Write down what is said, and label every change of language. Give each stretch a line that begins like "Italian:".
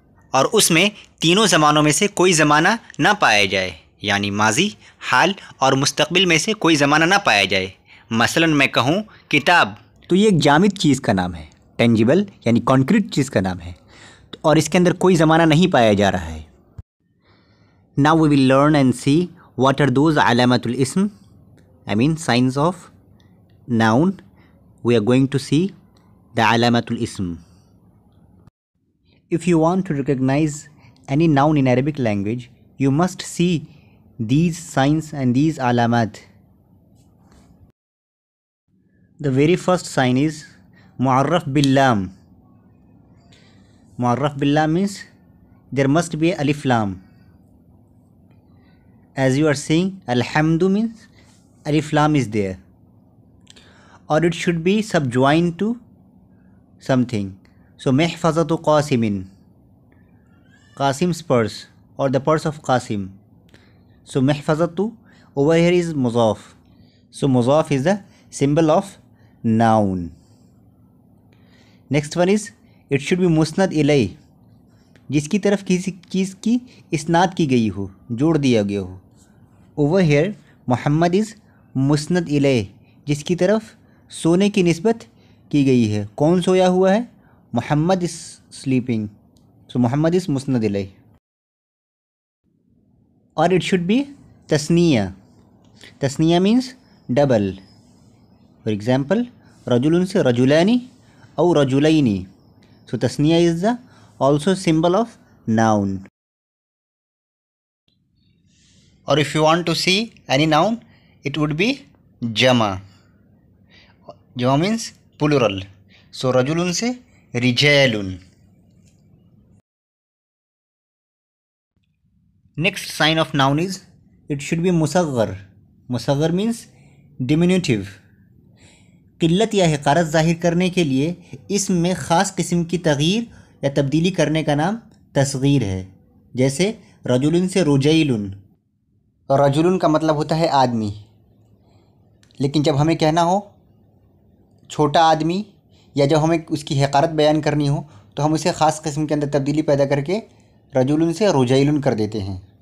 Urdu: اور اس میں تینوں زمانوں میں سے کوئی زمانہ نہ پایا جائے, یعنی ماضی, حال اور مستقبل میں سے کوئی زمانہ نہ پایا جائے. مثلا میں کہوں کتاب, تو یہ ایک جامد چیز کا نام ہے, ٹینجیبل یعنی کنکریٹ چیز کا نام ہے, اور اس کے اندر کوئی زمانہ نہیں پایا جا رہا ہے.
English: Now we will learn and see what are those علامات الاسم, I mean signs of noun. We are going to see the علامات الاسم. If you want to recognize any noun in Arabic language, you must see these signs and these علامات. The very first sign is معرف باللام. معرف باللام means there must be الف لام. As you are saying الحمد means الف لام is there, or it should be subjoined to something. So
Arabic: محفظة قاسم,
English: قاسم's purse or the purse of قاسم. So محفظة over here is مضاف. So مضاف is the symbol of noun.
Urdu: Next one is
English: it should be
Urdu: مسند الی, جس کی طرف کسی چیز کی اسناد کی گئی ہو, جوڑ دیا گیا ہو.
English: over here
Urdu: محمد از مسند الی, جس کی طرف سونے کی نسبت کی گئی ہے. کون سویا ہوا ہے؟ محمد
English: Is sleeping.
Urdu: سو محمد از مسند الی.
English: Or it should be تثنیہ. تثنیہ means double. For example رجل ان سے رجولانی او رجولینی. So tasniya is the also symbol of noun. Or if you want to see any noun, it would be jama. Jama means plural. So rajulun se rijalun. Next sign of noun is it should be musaggar. Musaggar means diminutive.
Urdu: قلت یا حقارت ظاہر کرنے کے لیے اسم میں خاص قسم کی تغییر یا تبدیلی کرنے کا نام تصغیر ہے. جیسے رجل سے رجیلن. رجلن کا مطلب ہوتا ہے آدمی, لیکن جب ہمیں کہنا ہو چھوٹا آدمی یا جب ہمیں اس کی حقارت بیان کرنی ہو تو ہم اسے خاص قسم کے اندر تبدیلی پیدا کر کے رجل سے رجیلن کر دیتے ہیں.